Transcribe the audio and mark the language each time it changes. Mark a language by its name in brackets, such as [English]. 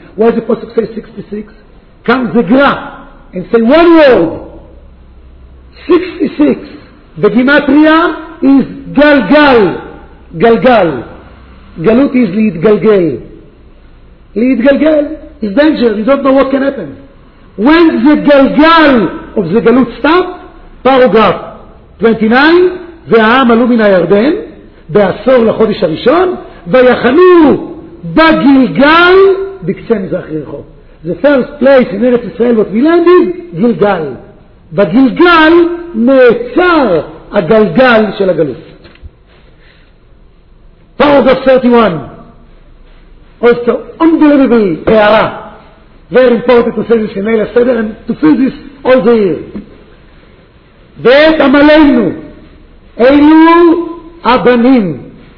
[English] Why the post say 66? Comes the Gra and say one word. 66. The Gematria is Galgal. Galgal. Galut is Lid Galgal. Lid Galgal. It's danger. You don't know what can happen. When the Galgal of the Galut stop, paragraph 29, [Hebrew] והעם עלו מן הירדן, בעשור לחודש הראשון, ויחנו בגלגל, בקצה מזרח יריחו. [English] The first place in ארץ ישראל what we landed, גלגל. [Hebrew] בגלגל נעצר הגלגל של הגלות. [English] Paragraph 31, also unbelievable, הערה. Very important to say this in Eilat Seder and to feel this all the year. [Hebrew] Ve'et amaleinu Eilu Abanim.